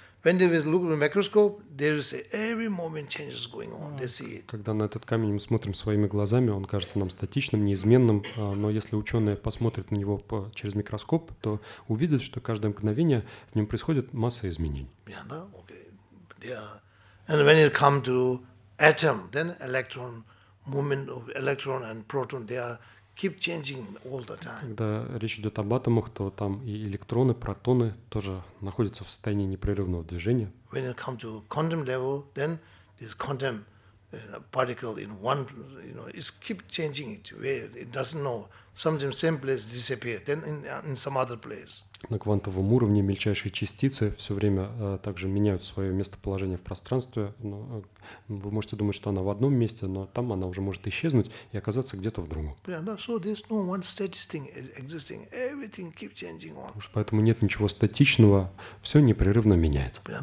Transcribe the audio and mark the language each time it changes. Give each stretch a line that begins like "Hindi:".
English: When they look at the microscope, they will say every moment changes going on. They see it.
Russian: Когда на этот камень мы смотрим своими глазами, он кажется нам статичным, неизменным. Но если ученые посмотрят на него через микроскоп, то увидят, что каждое мгновение в нем происходит масса изменений.
English: Yeah, okay. Yeah. And when it come to atom, then electron movement of electron and proton, they are keep changing all the time.
Russian: Когда речь идет об атомах, то там и электроны, протоны тоже находятся в состоянии непрерывного движения.
English: When it comes to quantum level, then this quantum particle in one, you know, it keep changing it where it doesn't know something simplest disappears, then in some other place.
Russian: На квантовом уровне мельчайшие частицы все время также меняют свое местоположение в пространстве. Но, вы можете думать, что она в одном месте, но там она уже может исчезнуть и оказаться где-то в другом. Поэтому нет ничего статичного, все непрерывно меняется.